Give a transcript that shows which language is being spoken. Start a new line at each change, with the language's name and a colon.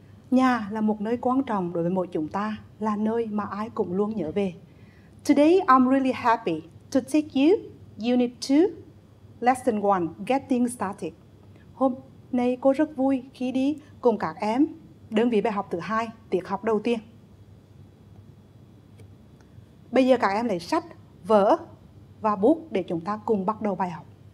Vietnamese: Nhà là một nơi quan trọng đối với mỗi chúng ta, là nơi mà ai cũng luôn nhớ về.
English: Today I'm really happy to take you Unit 2, Lesson 1, Getting Started.
Vietnamese: Hôm nay cô rất vui khi đi cùng các em đơn vị bài học thứ hai, tiết học đầu tiên. Bây giờ các em lấy sách, vở và bút để chúng ta cùng bắt đầu bài học.